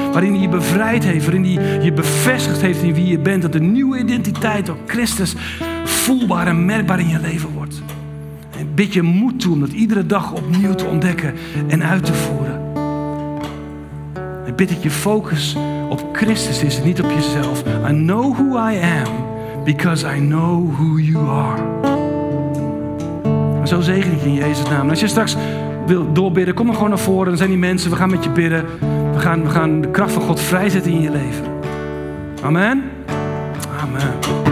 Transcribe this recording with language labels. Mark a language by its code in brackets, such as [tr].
[nl] Waarin hij je bevrijd heeft. Waarin hij je bevestigd heeft in wie je bent. Dat de nieuwe identiteit door Christus voelbaar en merkbaar in je leven wordt. En ik bid je moed toe om dat iedere dag opnieuw te ontdekken en uit te voeren. En ik bid dat je focus op Christus is, niet op jezelf. [en] I know who I am because I know who you are. [nl] Zo zegen ik je in Jezus' naam. En als je straks wil doorbidden, kom dan gewoon naar voren. Dan zijn die mensen, we gaan met je bidden. We gaan de kracht van God vrijzetten in je leven. Amen. Amen.